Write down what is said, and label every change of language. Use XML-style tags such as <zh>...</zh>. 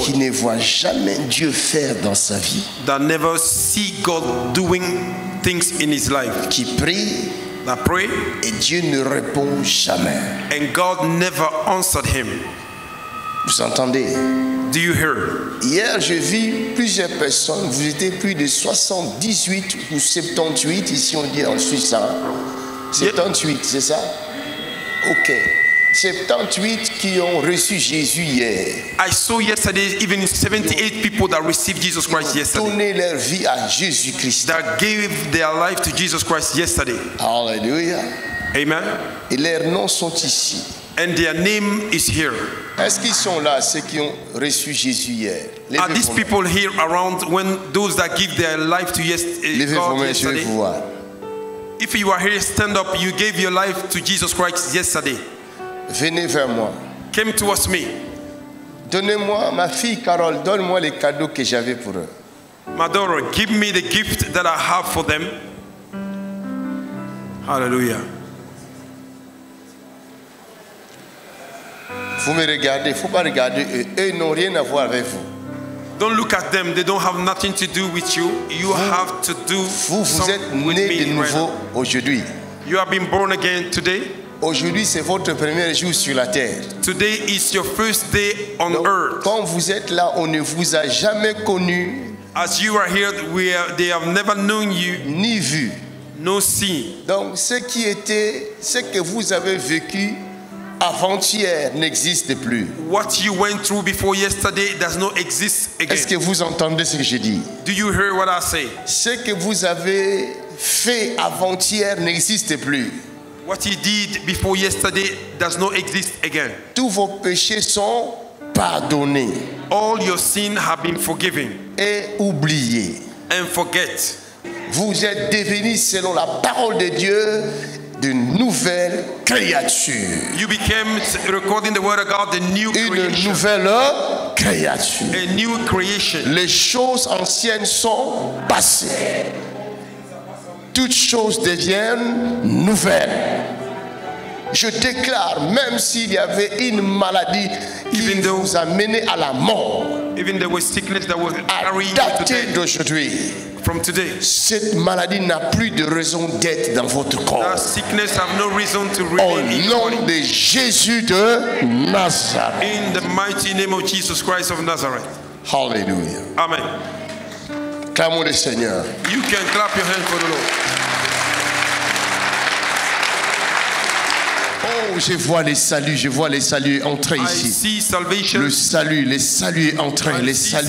<fr>qui ne voit jamais Dieu faire dans sa vie,</fr> <en>that never see God doing things in his life,</en> <fr>qui prie,</fr> <en>that pray,</en> <fr>et Dieu ne répond jamais,</fr> <en>and God never answered him.</en> <fr>Vous entendez?</fr> <en>Do you hear?</en> <fr>Hier, j'ai vu plusieurs personnes. Vous étiez plus de 78 ou 78, ici on dit en Suisse. Hein? 78, c'est ça? Ok. 78 qui ont reçu Jésus hier.</fr> <en>I saw yesterday even 78 people that received Jesus Christ yesterday.</en> <fr>Donné leur vie à Jésus Christ.</fr> <en>That gave their life to Jesus Christ yesterday. Hallelujah. Amen.</en> <fr>Et leurs noms sont ici.</fr> <en>And their name is here.</en> <fr>Est-ce qu'ils sont là, ceux qui ont reçu Jésus hier?</fr> <en>Are these people here around when those that give their life to yesterday? If you are here, stand up. You gave your life to Jesus Christ yesterday.</en> <fr>Venez vers moi.</fr> <en>Came towards me.</en> <fr>Donnez-moi ma fille Carole. Donne-moi les cadeaux que j'avais pour eux.</fr> <en>My daughter, give me the gift that I have for them. Hallelujah.</en> <fr>Vous me regardez, faut pas regarder eux. Eux n'ont rien à voir avec vous.</fr> <en>Don't look at them. They don't have nothing to do with you. You have to do</en> <fr>vous</fr> <en>something</en> <fr>êtes né</fr> <en>with me</en> <fr>de nouveau</fr> <en>right now.</en> <fr>Aujourd'hui.</fr> <en>You have been born again today.</en> <fr>Aujourd'hui c'est votre premier jour sur la terre.</fr> <en>Today is your first day on</en> <fr>Donc,</fr> <en>earth.</en> <fr>Quand vous êtes là, on ne vous a jamais connu.</fr> <en>As you are here, they have never known you.</en> <fr>Ni vu.</fr> <en>No seen.</en> <fr>Donc ce qui était, ce que vous avez vécu avant-hier n'existe plus.</fr> <en>What you went through before yesterday does not exist again.</en> <fr>Est-ce que vous entendez ce que je dis?</fr> <en>Do you hear what I say?</en> <fr>Ce que vous avez fait avant-hier n'existe plus.</fr> <en>What you did before yesterday does not exist again.</en> <fr>Tous vos péchés sont pardonnés.</fr> <en>All your sins have been forgiven.</en> <fr>Et oubliés.</fr> <en>And forget.</en> <fr>Vous êtes devenus selon la parole de Dieu de nouvelle créature.</fr> <en>You became, recording the word of God, the new creation.</en> <fr>Une nouvelle créature.</fr> <en>A new creation.</en> <fr>Les choses anciennes sont passées. Toutes choses deviennent nouvelles. Je déclare, même s'il y avait une maladie qui</fr> <en>even</en> <fr>vous</fr> <en>though,</en> <fr>a mené à la mort,</fr> <en>even there was sickness that was carrying</en> <fr>à dater d'aujourd'hui,</fr> <en>from today,</en> <fr>cette maladie n'a plus de raison d'être dans votre corps.</fr> <en>That sickness have no reason to remain.</en> <fr>Au nom de Jésus de Nazareth.</fr> <en>In the mighty name of Jesus Christ of Nazareth. Hallelujah. Amen.</en> <fr>Clamons le Seigneur.</fr> <en>You can clap your hands for the Lord.</en> <fr>Oh, je vois les saluts, je vois les saluts entrer ici.</fr> <en>I see salvation.</en> <fr>Le salut, les saluts entrer, les saluts.</fr>